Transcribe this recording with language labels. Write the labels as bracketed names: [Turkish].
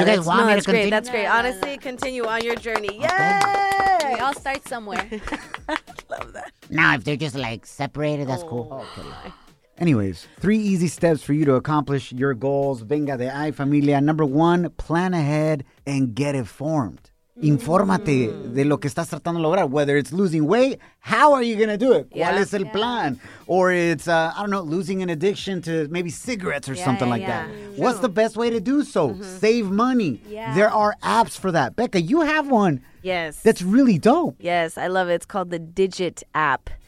[English] You guys want me to continue? Great. That's great. Honestly, continue on your journey. Yay! We all start somewhere. Love that. Now, if they're just, like, separated, that's cool. Okay. Anyways, three easy steps for you to accomplish your goals. [Spanish] Venga de ahí, familia. [English] Number one, plan ahead and get informed. [Spanish] Infórmate de lo que estás tratando de lograr. [English] Whether it's losing weight, how are you going to do it? [Spanish] ¿Cuál es el plan? [English] Or it's, I don't know, losing an addiction to maybe cigarettes or something like that. True. What's the best way to do so? Mm-hmm. Save money. Yeah. There are apps for that. Becca, you have one. Yes. That's really dope. Yes, I love it. It's called the Digit app.